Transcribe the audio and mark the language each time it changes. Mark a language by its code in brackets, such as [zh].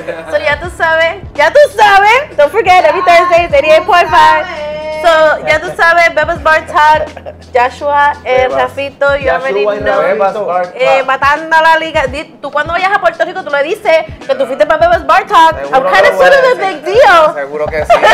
[en] So [es] ya tú sabes, [en] don't forget, every Thursday, 88.5. So [es] ya tú sabes, [en] Bebas Bar Talk, Joshua, Rafito, you already know. [es] Matando la liga, tú cuando vayas a Puerto Rico, tú le dices que tú fuiste para Bebas Bar Talk. [en] I'm kind of sort of a big deal.